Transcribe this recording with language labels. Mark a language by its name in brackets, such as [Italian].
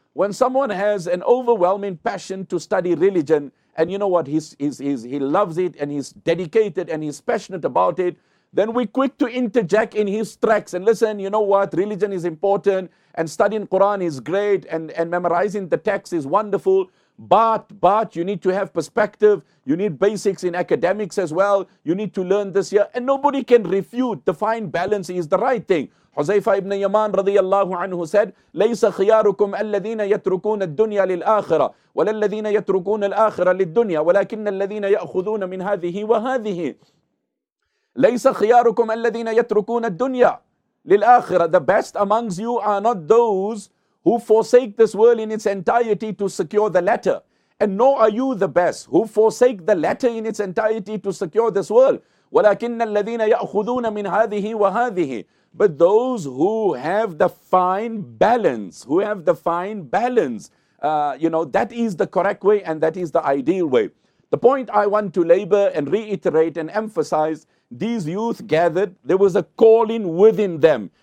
[English] When someone has an overwhelming passion to study religion, and you know what, he loves it and he's dedicated and he's passionate about it, then we're quick to interject in his tracks and listen, you know what, religion is important and studying Quran is great and memorizing the text is wonderful, but you need to have perspective, you need basics in academics as well, you need to learn this year, and nobody can refute the fine balance is the right thing. [Arabic] Huzaifa ibn Yaman radiyallahu anhu said, لَيْسَ خِيَارُكُمْ أَلَّذِينَ يَتْرُكُونَ الدُّنْيَا لِلْآخِرَةِ وَلَلَّذِينَ يَتْرُكُونَ الْآخِرَةِ لِلدُّنْيَا وَلَكِنَّ الَّذِينَ يَأْخُذُونَ مِنْ هَذِهِ وَهَذِهِ. ليس خياركم الذين يتركون الدنيا للآخرة. [English] The best amongst you are not those who forsake this world in its entirety to secure the latter. And nor are you the best who forsake the latter in its entirety to secure this world. [Arabic] ولكن الذين يأخذون من هذه وهذه. [English] But those who have the fine balance, who have the fine balance, that is the correct way and that is the ideal way. The point I want to labor and reiterate and emphasize, these youth gathered, there was a calling within them.